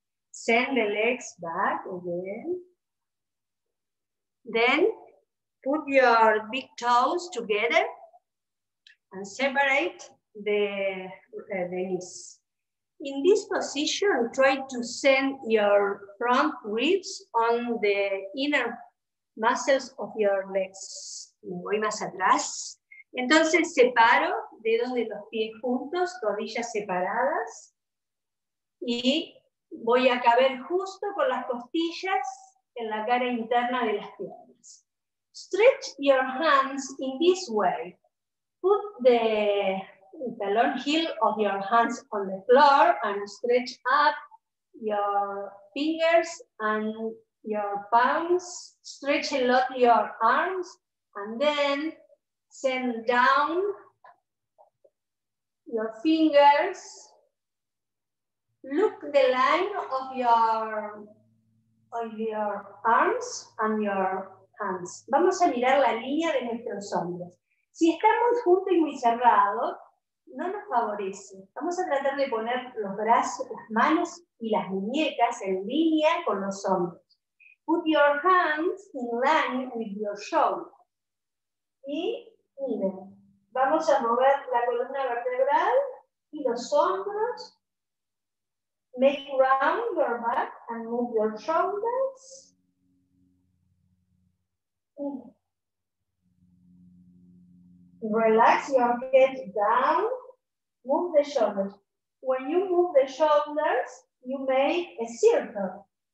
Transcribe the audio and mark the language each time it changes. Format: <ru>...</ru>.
<en>Send the legs back again. Then put your big toes together and separate the knees. In this position, try to send your front ribs on the inner muscles of your legs.</en> <es>Voy más atrás. Entonces separo dedos de los pies juntos, rodillas separadas. Y voy a caber justo con las costillas en la cara interna de las piernas.</es> <en>Stretch your hands in this way. Put the talon heel of your hands on the floor and stretch up your fingers and your palms. Stretch a lot your arms and then send down your fingers. Look the line of your arms and your hands.</en> <es>Vamos a mirar la línea de nuestros hombros. Si estamos juntos y muy cerrados, no nos favorece. Vamos a tratar de poner los brazos, las manos y las muñecas en línea con los hombros.</es> <en>Put your hands in line with your shoulder.</en> <es>Y miren, vamos a mover la columna vertebral y los hombros.</es> <en>Make round your back and move your shoulders. Relax your head down. Move the shoulders. When you move the shoulders, you make a circle.</en>